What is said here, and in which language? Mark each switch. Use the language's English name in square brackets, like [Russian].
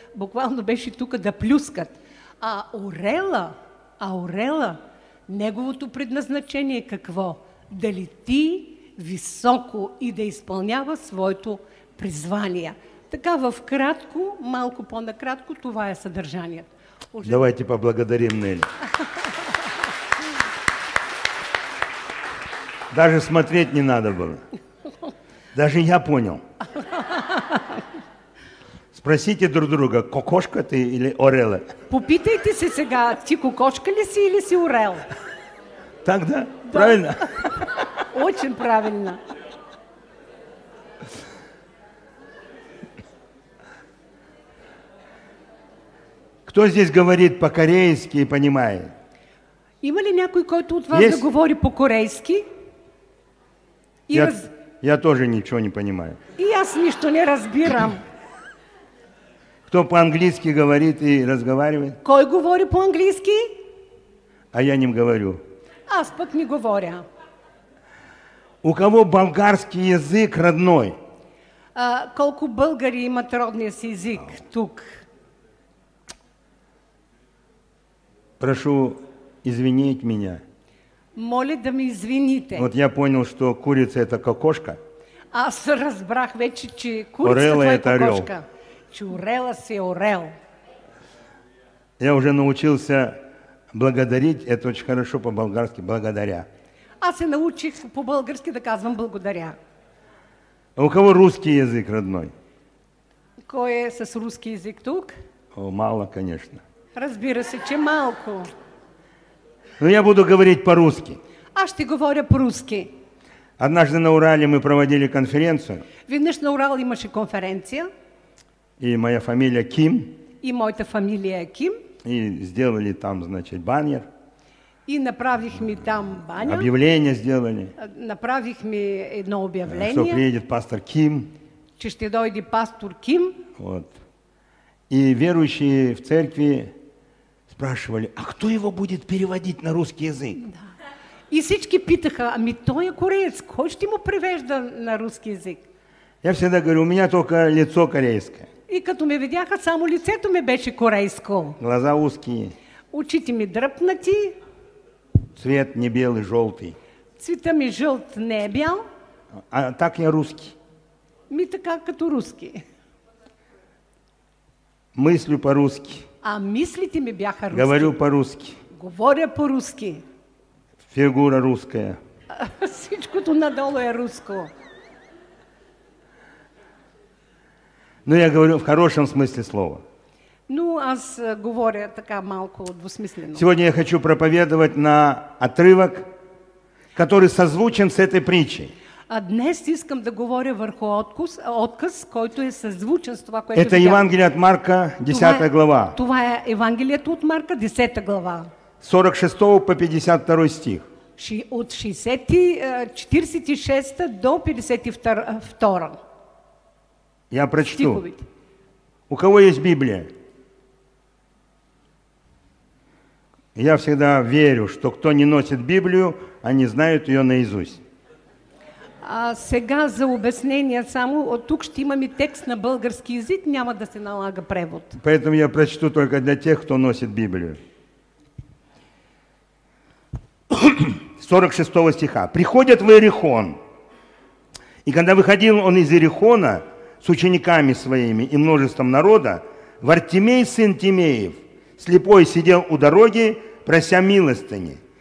[Bulgarian] Буквално беше тук да плюскат. А орела, неговото предназначение е какво? Да лети високо и да изпълнява своето призвание. Така, в кратко, малко по-накратко, това е съдържанието. [Russian] Давайте поблагодарим Нели. Даже смотреть не надо было. Даже я понял. Спросите друг друга, кокошка ты или орела? [Bulgarian] Попитайте се сега, ти кокошка ли си или си орел? [Russian] Так, да? Правильно? Очень правильно. Кто здесь говорит по-корейски и понимает? [Bulgarian] Има ли някой, който от вас да говори по-корейски? [Russian] Я тоже ничего не понимаю. [Bulgarian] И аз нищо не разбирам. [Russian] Кто по-английски говорит и разговаривает? [Bulgarian] Кой говори по-английски? [Russian] А я не говорю. [Bulgarian] Аз пък не говоря. [Russian] У кого болгарский язык родной? [Bulgarian] Колко българи имат родния си език тук? [Russian] Прошу извинить меня. [Bulgarian] Моля да ме извините. [Russian] Вот я понял, что курица это кокошка. [Bulgarian] Аз разбрах вече, че курица орела това е кокошка. Орел. Че орела си орел. [Russian] Я уже научился благодарить, это очень хорошо по-болгарски, благодаря. [Bulgarian] Аз се научих по-български да казвам благодаря. [Russian] А у кого русский язык родной? [Bulgarian] Кой е с руски язык тук? [Russian] О, мало, конечно. [Bulgarian] Разбира се, че малко. [Russian] Но я буду говорить по-русски. [Bulgarian] Аз ти говоря по-русски. [Russian] Однажды на Урале мы проводили конференцию. [Bulgarian] Веднъж на Урал имаше конференция. [Russian] И моя фамилия Ким. [Bulgarian] И моята фамилия е Ким. [Russian] И сделали там, значит, баннер. [Bulgarian] И направихме там баня. [Russian] Объявление сделали. [Bulgarian] Направихме едно обявление. [Russian] Что приедет пастор Ким. [Bulgarian] Че ще дойде пастор Ким. [Russian] Вот. И верующие в церкви спрашивали, а кто его будет переводить на русский язык? Да. [Bulgarian] И всички питаха, ами той е кореец, кой ще му превежда [Russian] на русский язык? Я всегда говорю, у меня только лицо корейское. [Bulgarian] И като ме видяха, само лицето ми беше корейско. [Russian] Глаза узкие. [Bulgarian] Очите ми дръпнати. [Russian] Цвет не белый, желтый. [Bulgarian] Цвета ми жълт, не е бял. [Russian] А так я русский. [Bulgarian] Ми така като русский. [Russian] Мыслю по-русски. [Bulgarian] А мислите ми бяха руски. [Russian] Говорю по-русски. [Bulgarian] Говоря по-русски. [Russian] Фигура русская. [Bulgarian] Всичкото надолу е руско. [Russian] Ну, я говорю в хорошем смысле слова. [Bulgarian] Ну, аз говоря така малко двусмислено. [Russian] Сегодня я хочу проповедовать на отрывок, который созвучен с этой притчей. [Bulgarian] А днес искам да говоря върху отказ, който е съзвучен с това, което... [Russian] Это Евангелие от Марка, 10 глава. [Bulgarian] Това е Евангелието от Марка, 10 глава. [Russian] 46 по 52 стих. [Bulgarian] От 46 до 52. [Russian] Я прочту. [Bulgarian] Стиховите. [Russian] У кого есть Библия? Я всегда верю, что кто не носит Библию, они знают ее наизусть. [Bulgarian] А сега за обяснение само, от тук ще имаме текст на български язик, няма да се налага превод. [Russian] Поэтому я прочту только для тех, кто носит Библию. 46 стиха. Приходят в Иерихон, и когда выходил он из Иерихона с учениками своими и множеством народа, Вартимей, сын Тимеев, слепой, сидел у дороги, прося милостыни.